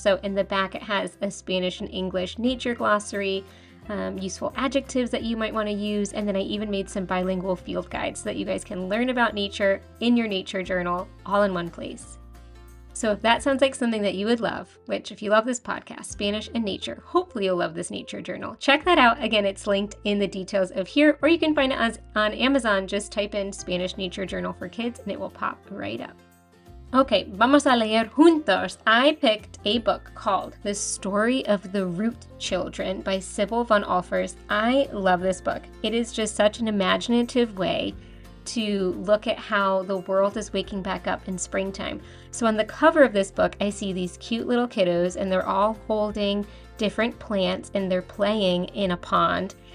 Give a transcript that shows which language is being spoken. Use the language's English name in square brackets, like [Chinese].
[English] So in the back, it has a Spanish and English nature glossary, useful adjectives that you might want to use, and then I even made some bilingual field guides so that you guys can learn about nature in your nature journal all in one place. So if that sounds like something that you would love, which if you love this podcast, Spanish and Nature, hopefully you'll love this nature journal. Check that out. Again, it's linked in the details of here, or you can find it on Amazon. Just type in Spanish Nature Journal for Kids and it will pop right up. [Spanish] Okay, vamos a leer juntos. [English] I picked a book called The Story of the Root Children by Sybil von Olfers. I love this book. It is just such an imaginative way to look at how the world is waking back up in springtime. So on the cover of this book, I see these cute little kiddos and they're all holding different plants and they're playing in a pond.